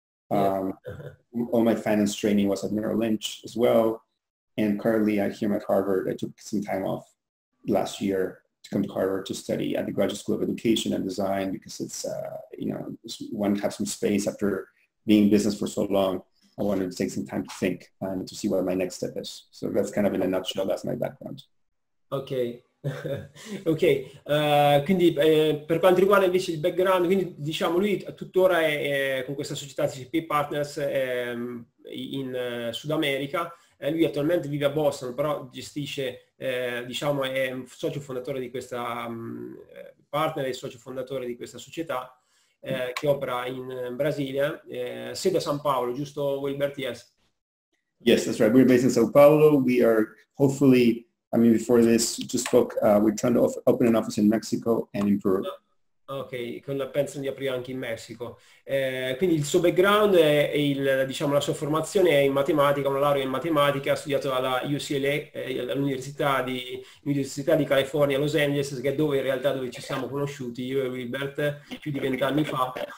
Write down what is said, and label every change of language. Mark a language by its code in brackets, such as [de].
[en] All my finance training was at Merrill Lynch as well. And currently, I'm here at Harvard. I took some time off last year to come to Harvard to study at the Graduate School of Education and Design, because it's, one have some space after being in business for so long. I wanted to take some time to think and to see what my next step is. So that's kind of in a nutshell, that's my background. Okay. [it] Ok, quindi per quanto riguarda invece il background, quindi diciamo lui tuttora è con questa società CCP Partners in Sud America, lui attualmente vive a Boston, però gestisce, diciamo è un socio fondatore di questa partner e socio fondatore di questa società che opera in Brasile, sede a San Paolo, giusto Wilbert? [en] Yes. Yes, that's right. We're based in São Paulo. We are hopefully, I mean, before this, just spoke, we're trying to open an office in Mexico and in Peru. [it] Ok, con la pensione di aprire anche in Messico. Quindi il suo background è il, diciamo, la sua formazione è in matematica, una laurea in matematica, ha studiato alla UCLA, all'Università di California, Los Angeles, che è dove in realtà dove ci siamo conosciuti, io e Wilbert, più di 20 anni fa.